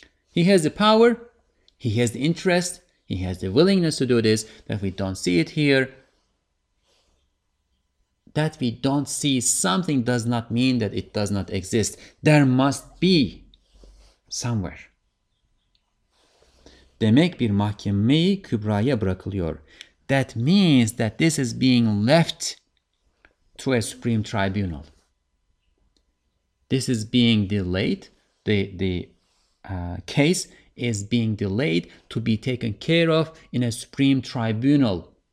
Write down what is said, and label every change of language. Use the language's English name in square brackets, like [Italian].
[English] He has the power, he has the interest, he has the willingness to do this, that we don't see it here. That we don't see something does not mean that it does not exist. There must be somewhere. [Turkish] Demek bir mahkemeyi kübraya bırakılıyor. [English] That means that this is being left to a supreme tribunal. This is being delayed. The case is being delayed to be taken care of in a supreme tribunal.